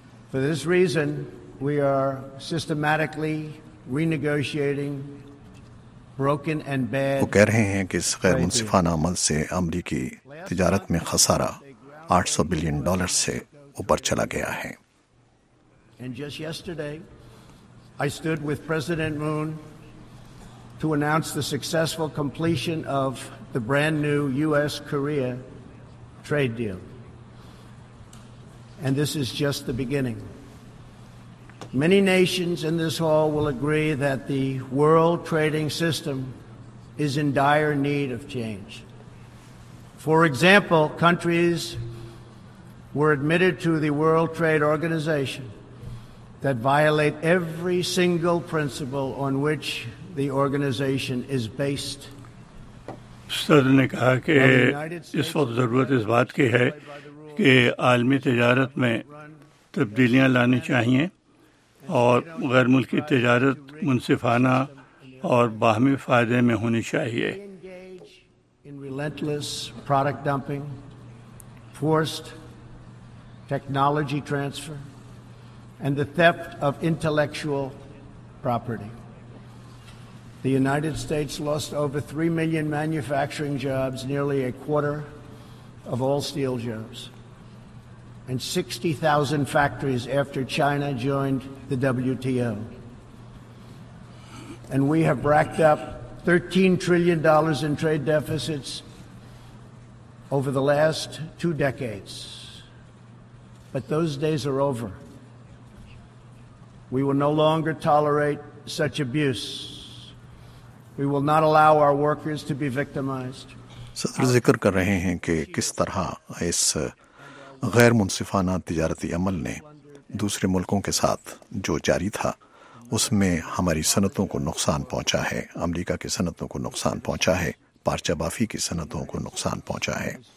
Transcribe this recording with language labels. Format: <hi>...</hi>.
<en>For this reason, we are systematically renegotiating broken and bad trade.</en> <ur>وہ کہہ رہے ہیں کہ اس غیر منصفانہ عمل سے امریکی تجارت میں خسارہ 800 بلین ڈالر سے اوپر چلا گیا ہے.</ur> <en>And just yesterday, I stood with President Moon to announce the successful completion of the brand new U.S.-Korea trade deal. And this is just the beginning. Many nations in this hall will agree that the world trading system is in dire need of change. For example, countries were admitted to the World Trade Organization that violate every single principle on which the organization is based.</en> <ur>صدر نے کہا کہ اس وقت ضرورت اس بات کی ہے کہ عالمی تجارت میں تبدیلیاں لانی چاہیے اور غیر ملکی تجارت منصفانہ اور باہمی فائدے میں ہونی چاہیے.</ur> <en>Relentless product dumping, forced technology transfer, and the theft of intellectual property. The United States lost over 3 million manufacturing jobs, nearly a quarter of all steel jobs, and 60,000 factories after China joined the WTO. And we have racked up $13 trillion in trade deficits over the last two decades. But those days are over. We will no longer tolerate such abuse. We will not allow our workers to be victimized.</en> <ur>صدر ذکر کر رہے ہیں کہ کس طرح اس غیر منصفانہ تجارتی عمل نے دوسرے ملکوں کے ساتھ جو جاری تھا اس میں ہماری صنعتوں کو نقصان پہنچا ہے, امریکہ کی صنعتوں کو نقصان پہنچا ہے, پارچہ بافی کی صنعتوں کو نقصان پہنچا ہے.</ur>